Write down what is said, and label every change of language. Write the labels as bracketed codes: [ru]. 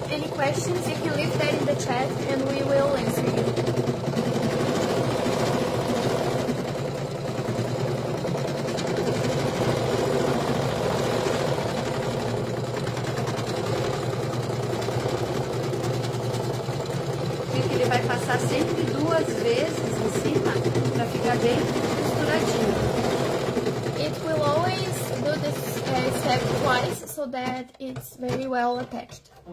[en] Questions, you can leave that in the chat and we will answer you. [pt] Ele vai passar sempre duas vezes em cima para ficar bem costurado. quadradinho. [en] It will always do this step twice so that it's very well attached.